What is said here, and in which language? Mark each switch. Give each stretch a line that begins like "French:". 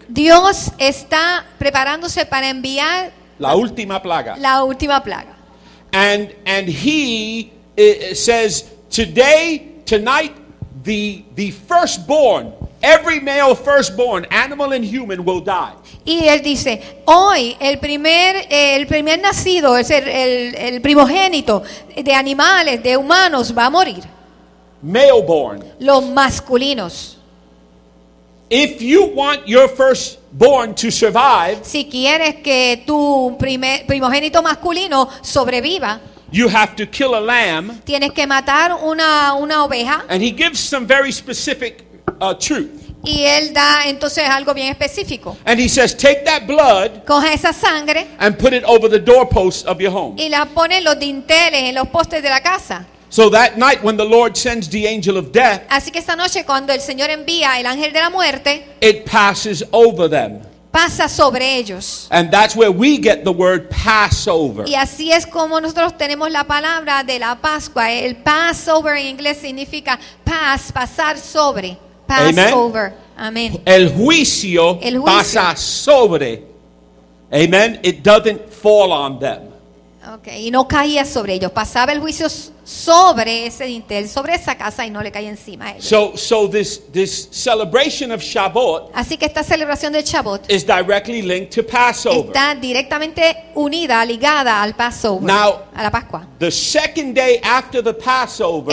Spanish: Dios está preparándose para enviar la última plaga. La última plaga.
English: And he says, today, tonight, the firstborn, every male firstborn, animal and human, will die.
Spanish: Y él dice, hoy el primer nacido, es el primogénito de animales, de humanos, va a morir.
English: Male born.
Spanish: Los masculinos.
English: If you want your firstborn to survive,
Spanish: si quieres que tu primogénito masculino sobreviva,
English: you have to kill a lamb.
Spanish: Tienes que matar una oveja.
English: And he gives some very specific truth.
Spanish: Y él da entonces algo bien específico.
English: And he says, take that blood.
Spanish: Coge esa sangre.
English: And put it over the doorposts of your home.
Spanish: Y la pone en los dinteles, en los postes de la casa.
English: So that night when the Lord sends the angel of death.
Spanish: Así que esta noche cuando el Señor envía el ángel de la muerte.
English: It passes over them.
Spanish: Pasa sobre ellos.
English: And that's where we get the word Passover.
Spanish: Y así es como nosotros tenemos la palabra de la Pascua. El Passover en inglés significa pasar sobre.
English: Passover. Amen.
Spanish: El juicio pasa sobre. Amen.
English: It doesn't fall on them.
Spanish: Okay. Y no caía sobre ellos. Pasaba el juicio sobre ese dintel, sobre esa casa, y no le caía encima a ellos.
English: So this celebration of Shavuot.
Spanish: Así que esta celebración de Shavuot
English: is directly linked to Passover.
Spanish: Está directamente unida, ligada al Passover.
English: Now,
Spanish: a la Pascua.
English: The second day after the Passover.